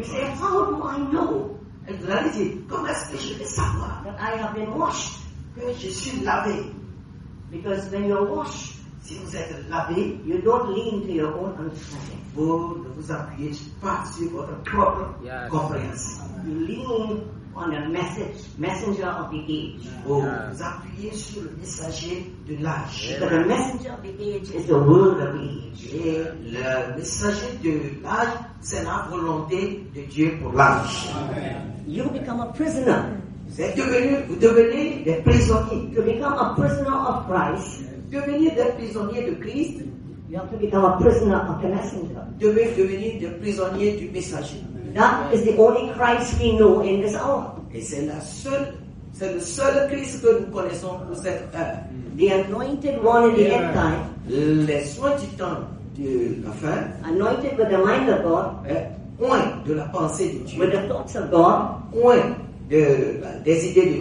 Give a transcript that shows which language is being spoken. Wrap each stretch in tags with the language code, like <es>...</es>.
<en>You say, how do I know?</en> <fr>En réalité, comment est-ce que je vais savoir?</fr> <en>That I have been washed.</en> <fr>Que je suis lavé.</fr> <en>Because when you're washed.</en> <fr>Si vous êtes lavé,</fr> <en>you don't lean to your own understanding.</en> <fr>Vous ne vous appuyez pas sur votre propre compréhension.</fr> <en>You lean on the messenger of the age.</en> <fr>Vous appuyez sur le messager de l'âge.</fr> <en>Yeah. The messenger of the age is the word of the age.</en> <fr>Et le messager de l'âge, c'est la volonté de Dieu pour l'âge.</fr> <en>You become a prisoner.</en> <fr>Vous devenez des prisonniers.</fr> <en>You become a prisoner of Christ.</en> <fr>Devenir des prisonniers de Christ.</fr> <en>You have to become a prisoner of the messenger.</en> <fr>Devenir des prisonniers du messager.</fr> <en>That is the only Christ we know in this hour.</en> <fr>Et c'est le seul Christ que nous connaissons pour cette heure.</fr> <en>The anointed one in the end time.</en> <fr>Les soins du temps de la fin.</fr> <en>Anointed with the mind of God.</en> <fr>Oint de la pensée de Dieu.</fr> <en>With the thoughts of God.</en> <fr>Oint des idées de</fr>